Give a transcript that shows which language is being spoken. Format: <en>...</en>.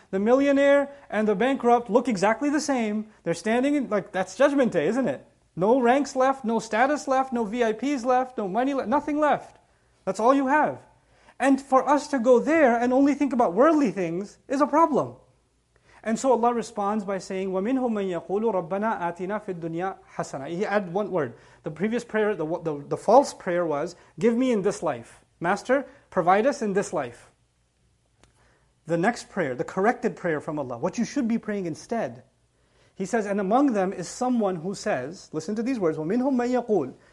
<en>The millionaire and the bankrupt look exactly the same. They're standing in, like, that's judgment day, isn't it? No ranks left, no status left, no VIPs left, no money left, nothing left. That's all you have. And for us to go there and only think about worldly things is a problem. And so Allah responds by saying,</en> <ar>وَمِنْهُمْ مَنْ يَقُولُ رَبَّنَا آتِنَا فِي الدُّنْيَا حَسَنًا.</ar> <en>He added one word. The previous prayer, the false prayer was, give me in this life. Master, provide us in this life. The next prayer, the corrected prayer from Allah, what you should be praying instead. He says, and among them is someone who says, listen to these words,</en> <ar>وَمِنْهُمْ مَنْ يَقُولُ.</ar>